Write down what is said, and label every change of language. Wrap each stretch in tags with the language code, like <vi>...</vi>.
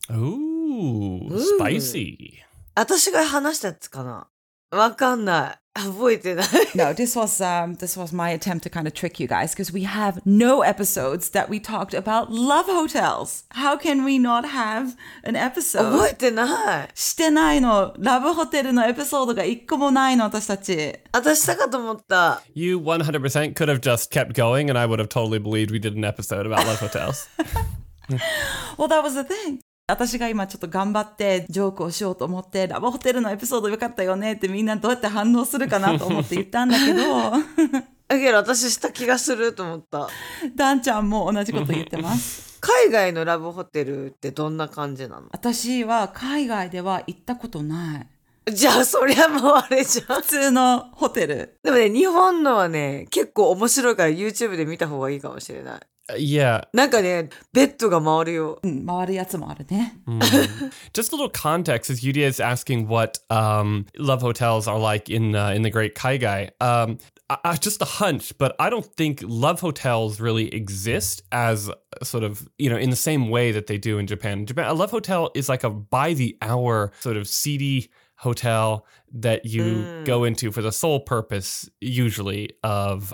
<en>Ooh, spicy.</en> <ja>私が話したやつかな?わかんない。覚えてない。</ja> <en>No, this was my attempt to kind of trick you guys, because we have no episodes that we talked about love hotels. How can we not have an episode?</en> <ja>覚えてない。してないの。ラブホテルのエピソードが一個もないの、私たち。私したかと思った。</ja> <en>You 100% could have just kept going, and I would have totally believed we did an episode about love hotels. Well, that was the thing.</en> <ja>私が今ちょっと頑張ってジョークをしようと思ってラブホテルのエピソードよかったよねってみんなどうやって反応するかなと思って言ったんだけどだけど私した気がすると思ったダンちゃんも同じこと言ってます海外のラブホテルってどんな感じなの私は海外では行ったことないじゃあそりゃもうあれじゃん普通のホテルでもね日本のはね結構面白いから YouTube で見た方がいいかもしれない</ja> <en>Yeah.</en> <ja>なんかね、ベッドが回るよ。回るやつもあるね。</ja> <en>Just a little context, as Yuria is asking what love hotels are like in the Great Kaigai. Just a hunch, but I don't think love hotels really exist as sort of, you know, in the same way that they do in Japan. Japan, a love hotel is like a by-the-hour sort of seedy hotel that you go into for the sole purpose, usually, of...</en>